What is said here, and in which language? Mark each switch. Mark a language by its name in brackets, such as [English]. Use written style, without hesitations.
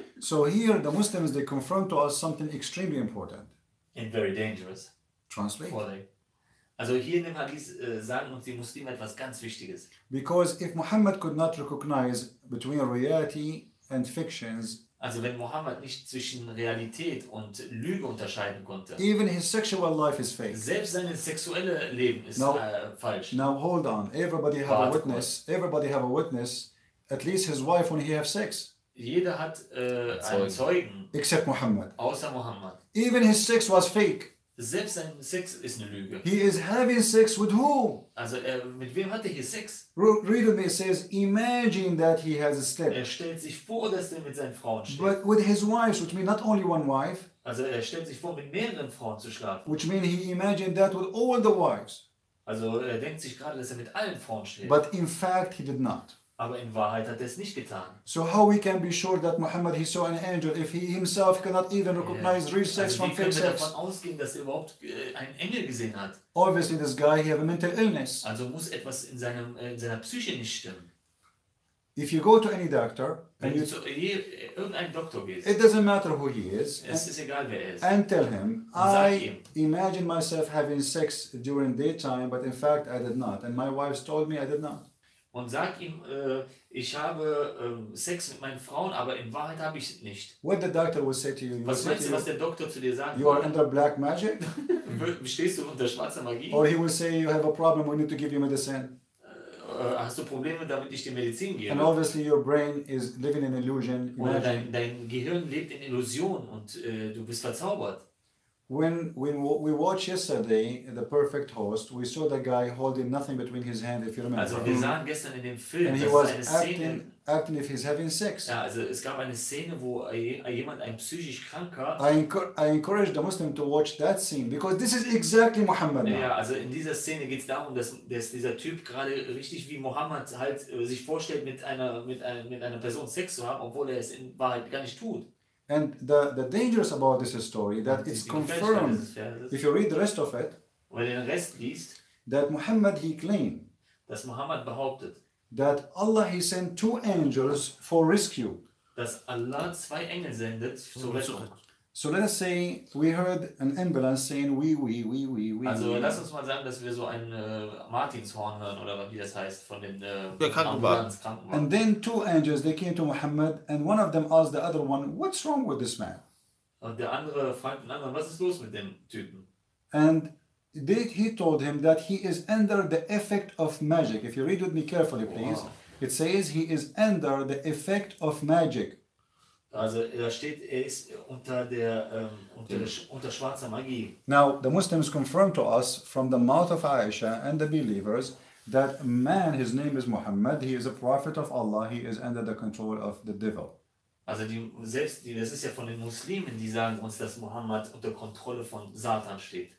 [English] So here the Muslims they confront to us something extremely important. And very dangerous. Translate. [German] Also hier in dem Hadith sagen uns die Muslime etwas ganz Wichtiges. [English] Because if Muhammad could not recognize between reality and fictions. [German] Also wenn Muhammad nicht zwischen Realität und Lüge unterscheiden konnte. [English] Even his sexual life is fake. [German] Selbst sein sexuelles Leben ist falsch. [English] Now hold on. Everybody have a witness. Everybody have a witness. At least his wife when he have sex. [German] Jeder hat einen Zeugen. [English] Except Muhammad. [German] Außer Muhammad. [English] Even his sex was fake. [German] Selbst sein Sex ist eine Lüge. [English] He is having sex with who? [German] Also mit wem hatte er Sex? [English] Read with me. It says, imagine that he has slept. [German] Er stellt sich vor, dass er mit seinen Frauen schläft. [English] But with his wives, which means not only one wife. [German] Also er stellt sich vor, mit mehreren Frauen zu schlafen. [English] Which means he imagined that with all the wives. [German] Also er denkt sich gerade, dass er mit allen Frauen schläft. [English] But in fact he did not. [German] Aber in Wahrheit hat er es nicht getan. [English] So how we can be sure that Muhammad he saw an angel if he himself cannot even recognize real sex from fake sex? [German] Wie können wir davon ausgehen, dass er überhaupt einen Engel gesehen hat? [English] Obviously this guy he have a mental illness. [German] Also muss etwas in seinem in seiner Psyche nicht stimmen. [English] If you go to any doctor, and you [German] zu irgendeinem Doktor gehst, [English] it doesn't matter who he is, [German] es ist egal, wer er ist, [English] and tell him, I imagine myself having sex during daytime, but in fact I did not, and my wife told me I did not. [German] Und sag ihm, ich habe Sex mit meinen Frauen, aber in Wahrheit habe ich nicht. [English] What the doctor will say to you? [German] Was meinst du, was der Doktor zu dir sagt? [English] You are under black magic? [German] Stehst du unter schwarzer Magie? [English] Or he will say you have a problem, we need to give you medicine. [German] Hast du Probleme, damit ich dir Medizin gebe? [English] And obviously your brain is living in illusion. [German] Dein Gehirn lebt in Illusion und du bist verzaubert. [English] When we watched yesterday the perfect host, we saw the guy holding nothing between his hands. If you remember. [German] Also wir sahen gestern in dem Film, [English] and he was acting if he's having sex. [German] Ja, also es gab eine Szene, wo jemand ein psychisch Kranker. [English] I encourage the Muslim to watch that scene because this is exactly Muhammad. [German] Ja, also in dieser Szene geht es darum, dass dieser Typ gerade richtig wie Muhammad halt sich vorstellt, mit einer Person Sex zu haben, obwohl er es in Wahrheit gar nicht tut. [English] And the dangers about this story that it's confirmed if you read the rest of it, [German] wenn den Rest liest, [English] that Muhammad he claimed, [German] dass Muhammad behauptet, [English] that Allah he sent two angels for rescue, [German] dass Allah zwei Engel sendet zur Rettung. [English] So let us say we heard an ambulance saying we. [German] Also lass uns mal sagen, dass wir so ein Martinshorn hören oder wie das heißt von den Krankenwagen. [English] And then two angels they came to Muhammad and one of them asked the other one, what's wrong with this man? [German] Und der andere fragt den anderen, was ist los mit dem Typen? [English] And he told him that he is under the effect of magic. If you read with me carefully, please. Wow. It says he is under the effect of magic. [German] Also da steht, er ist unter schwarzer Magie. [English] Now the Muslims confirm to us from the mouth of Aisha and the believers that man, his name is Muhammad, he is a prophet of Allah, he is under the control of the devil. [German] Also das ist ja von den Muslimen, die sagen uns, dass Muhammad unter Kontrolle von Satan steht.